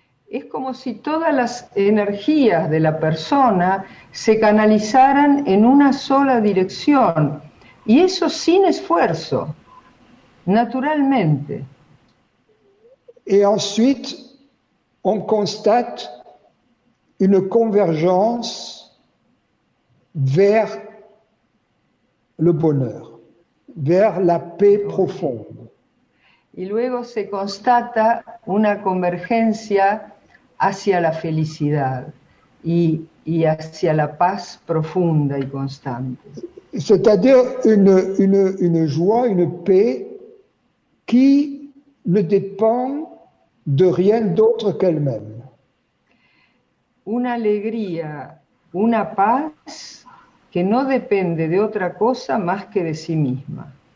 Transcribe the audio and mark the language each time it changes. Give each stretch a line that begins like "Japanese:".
Spanish: Es como si todas las energías de la persona se canalizaran en una sola dirección, y eso sin esfuerzo, naturalmente.
French: Et ensuite, on constate une convergence vers le bonheur, vers la paix profonde.
Spanish: Y luego se constata una convergencia hacia la felicidad y hacia la paz profunda y constante.
French: C'est-à-dire une joie, une paix qui ne dépend de rien d'autre qu'elle-même.
Spanish: Una alegría, una paz que no depende de otra cosa más que de sí misma.